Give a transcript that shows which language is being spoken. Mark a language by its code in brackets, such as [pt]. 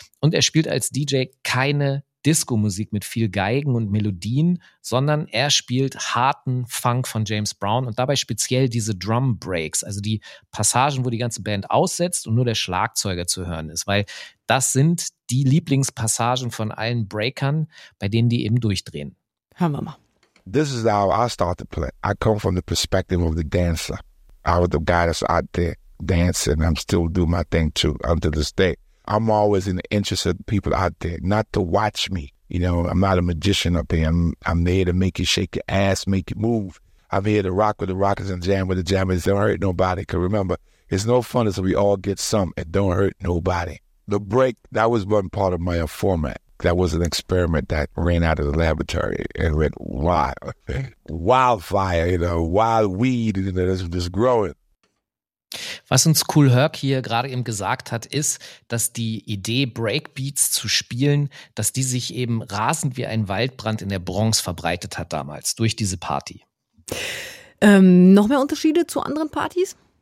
[de] Und er spielt als DJ keine Disco-Musik mit viel Geigen und Melodien, sondern er spielt harten Funk von James Brown und dabei speziell diese Drum-Breaks, also die Passagen, wo die ganze Band aussetzt und nur der Schlagzeuger zu hören ist, weil das sind die Lieblingspassagen von allen Breakern, bei denen die eben durchdrehen. Hören wir mal. [en] This is how I start to play. I come from the perspective of the dancer. I was the guy that's out there dancing. I'm still doing my thing too, unto this day. I'm always in the interest of people out there, not to watch me. You know, I'm not a magician up here. I'm there to make you shake your ass, make you move. I'm here to rock with the rockers and jam with the jammers. Don't hurt nobody. Because remember, it's no fun until we all get some. It don't hurt nobody. The break, that was one part of my format. That was an experiment that ran out of the laboratory and went wild. Wildfire, you know, wild weed, you know, that's growing. [de] Was uns Kool Herc hier gerade eben gesagt hat, ist, dass die Idee, Breakbeats zu spielen, dass die sich eben rasend wie ein Waldbrand in der Bronx verbreitet hat damals durch diese Party. Noch mehr Unterschiede zu anderen Partys?